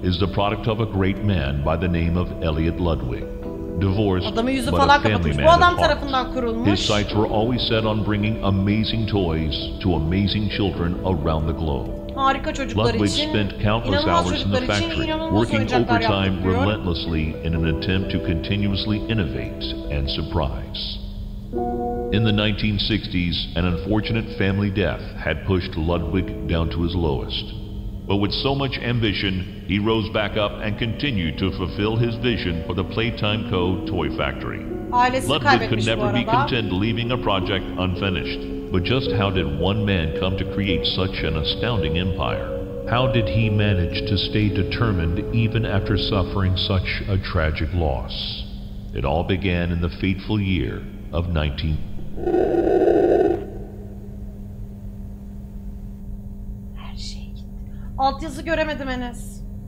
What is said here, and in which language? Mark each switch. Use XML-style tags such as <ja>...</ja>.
<en>is the product of a great man by the name of Elliot Ludwig. Divorced,</en> <tr>adamı yüzü falan kapatmış. Bu adam tarafından kurulmuş.</tr> <en>His sights were always set on bringing amazing toys to amazing children around the globe.</en> <tr>Harika çocuklar için.</tr> <en>Ludwig spent countless hours in the factory, working overtime relentlessly in an attempt to continuously innovate and surprise. In the 1960s, an unfortunate family death had pushed Ludwig down to his lowest. But with so much ambition, he rose back up and continued to fulfill his vision for the Playtime Co. toy factory. Ludwig could never be content leaving a project unfinished. But just how did one man come to create such an astounding empire? How did he manage to stay determined even after suffering such a tragic loss? It all began in the fateful year of 19...</en> <tr>Altyazı göremedim Enes.</tr>